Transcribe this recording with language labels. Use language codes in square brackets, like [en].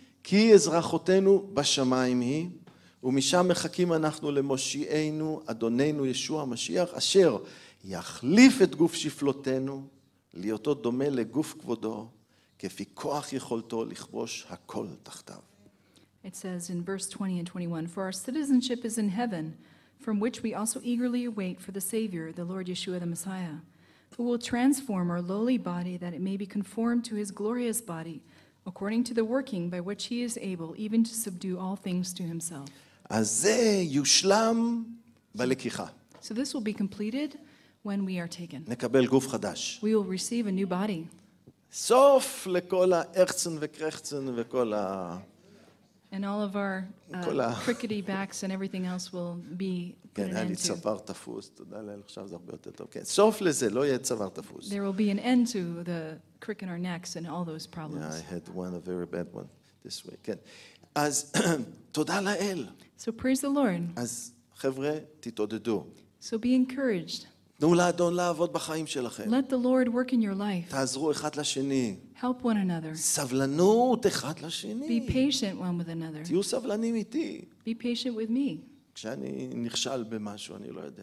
[he] כי אזרחותנו בשמיים היא, ומשם מחכים אנחנו למושיענו, אדוננו ישוע המשיח, אשר יחליף את גוף שפלותנו, להיותו דומה לגוף כבודו, כפי כוח יכולתו לכבוש הכל תחתיו. [en] It says in verse 20 and 21, for our citizenship is in heaven, from which we also eagerly await for the Savior, the Lord Yeshua the Messiah, who will transform our lowly body that it may be conformed to his glorious body, according to the working by which he is able even to subdue all things to himself. [he] אז זה יושלם בלקיחה. [en] So this will be completed when we are taken. [he] נקבל גוף חדש. [en] We will receive a new body. [he] סוף לכל הארצן וקרחצן וכל ה... [en] And all of our crickety backs and everything else will be put an end to. [he] תודה לאל, עכשיו זה הרבה יותר טוב. כן, סוף לזה, לא יהיה צוואר תפוס. [en] There will be an end to the crick in our necks and all those problems. Yeah, I had one, a very bad one this week. [he] כן. אז תודה לאל. [en] So praise the Lord. [he] אז חבר'ה, תתעודדו. [en] So be encouraged. [he] תנו לאדון לעבוד בחיים שלכם. [en] Let the Lord work in your life. [he] תעזרו אחד לשני. [en] Help one another. [he] סבלנות אחד לשני. [en] Be patient one with another. [he] תהיו סבלנים איתי. [en] Be patient with me. [he] כשאני נכשל במשהו, אני לא יודע.